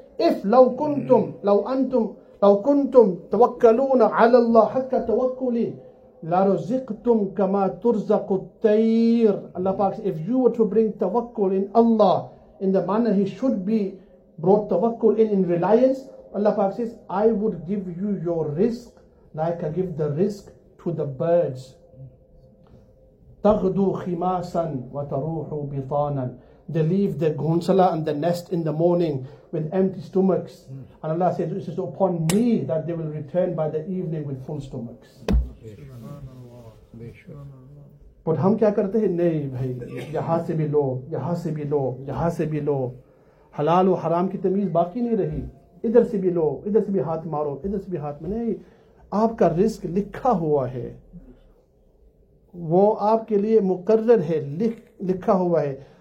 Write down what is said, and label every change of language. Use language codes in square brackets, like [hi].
[ar] If لو كنتم توكلون على الله حق توكلي لرزقتم كما ترزق الطير. [en] Allah says, if you were to bring tawakkul in Allah in the manner he should be brought tawakkul in reliance, Allah says, I would give you your risk like I give the risk to the birds. [ar] تغدو خماسا وتروح بطانا. [en] They leave the gonsala and the nest in the morning with empty stomachs. And Allah says, it is upon me that they will return by the evening with full stomachs. [ur] But ہم کیا کرتے ہیں, نہیں بھائی, یہاں سے بھی لو, حلال و حرام کی تمیز باقی نہیں رہی, ادھر سے بھی ہاتھ مارو. نہیں, آپ کا رزق لکھا ہوا ہے, وہ آپ کے لیے مقرر ہے, لکھا ہوا ہے.